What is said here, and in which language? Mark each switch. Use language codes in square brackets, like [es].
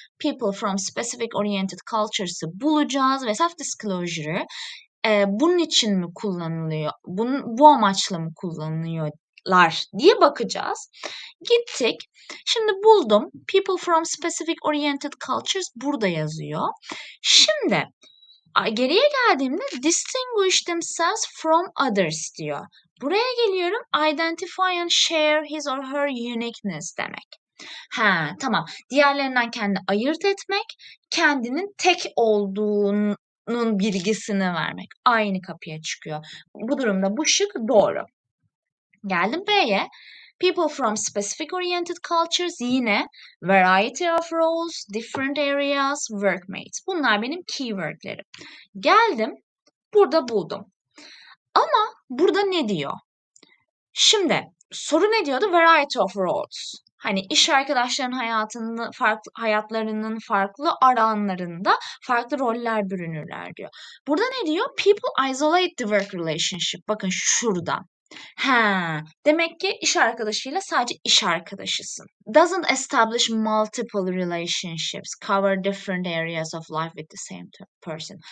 [en] People from specific oriented cultures'ı [tr] bulacağız ve self-disclosure'ı bunun için mi kullanılıyor, bu amaçla mı kullanılıyor diye bakacağız. Gittik. Şimdi buldum. [en] People from specific oriented cultures [tr] burada yazıyor. Şimdi geriye geldiğimde [en] distinguish themselves from others [tr] diyor. Buraya geliyorum. [en] Identify and share his or her uniqueness [tr] demek. Ha, tamam. Diğerlerinden kendini ayırt etmek, kendinin tek olduğunun bilgisini vermek. Aynı kapıya çıkıyor. Bu durumda bu şık doğru. Geldim B'ye. [en] People from specific oriented cultures [tr] yine [en] variety of roles, different areas, workmates. [tr] Bunlar benim keywordlerim. Geldim. Burada buldum. Ama burada ne diyor? Şimdi soru ne diyordu? [en] Variety of roles. [tr] Hani iş arkadaşlarının hayatlarının farklı alanlarında farklı roller bürünürler diyor. Burada ne diyor? [en] People isolate the work relationship. [tr] Bakın şurada. Ha, demek ki iş arkadaşıyla sadece iş arkadaşısın. [en] Doesn't establish multiple relationships, cover different areas of life with the same person.